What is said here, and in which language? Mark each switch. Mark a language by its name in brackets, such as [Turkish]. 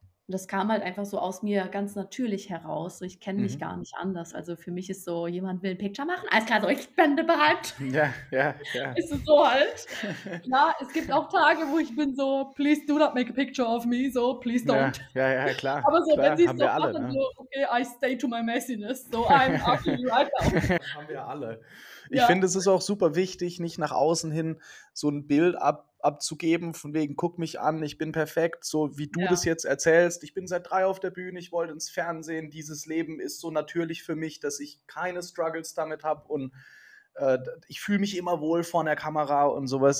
[German] Das kam halt einfach so aus mir ganz natürlich heraus. So, ich kenne mich gar nicht anders. Also für mich ist so, jemand will ein Picture machen, alles klar, so, ich bin bereit. Ja, ja, ja. Ist es so halt. Klar, es gibt auch Tage, wo ich bin so, [English] please do not make a picture of me, so, please don't. [German] Ja, ja, ja, klar. Aber so, klar, wenn sie es so alle, machen, ne? [English] So, okay, I stay to my messiness, so, I'm ugly right [German] now. Haben wir alle. Ich finde, es ist auch super wichtig, nicht nach außen hin so ein Bild abzugeben, von wegen, guck mich an, ich bin perfekt, so wie du das jetzt erzählst, ich bin seit 3 auf der Bühne, ich wollte ins Fernsehen, dieses Leben ist so natürlich für mich, dass ich keine Struggles damit habe und ich fühle mich immer wohl vor der Kamera und sowas.